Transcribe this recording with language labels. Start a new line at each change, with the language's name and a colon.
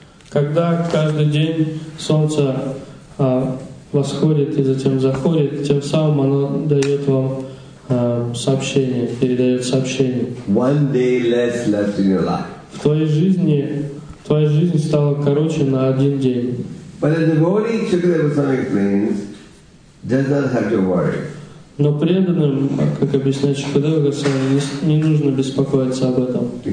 Russian: Когда каждый день солнце восходит и затем заходит, тем самым оно дает вам сообщение, передает сообщение.
English: One day less left in your life.
Russian: В твоей жизни твоя жизнь стала короче на один день.
English: But the devotee, Shukadeva Goswami explains, does not have to worry.
Russian: Но преданным, как объясняет Шукадева Госвами, не нужно беспокоиться об этом.